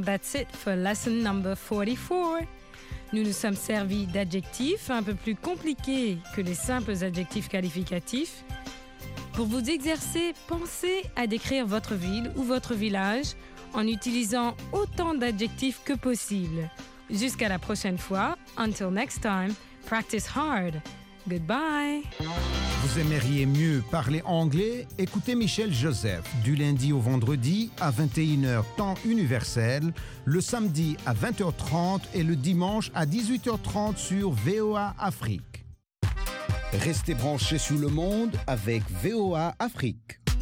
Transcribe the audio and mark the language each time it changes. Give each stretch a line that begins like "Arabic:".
English: That's it for lesson number 44.
French: Nous nous sommes servis d'adjectifs un peu plus compliqués que les simples adjectifs qualificatifs. Pour vous exercer, pensez à décrire votre ville ou votre village en utilisant autant d'adjectifs que possible. Jusqu'à la prochaine fois.
English: Until next time, practice hard. Goodbye.
French: Vous aimeriez mieux parler anglais? Écoutez Michel Joseph du lundi au vendredi à 21h temps universel, le samedi à 20h30 et le dimanche à 18h30 sur VOA Afrique. Restez branchés sur le monde avec VOA Afrique.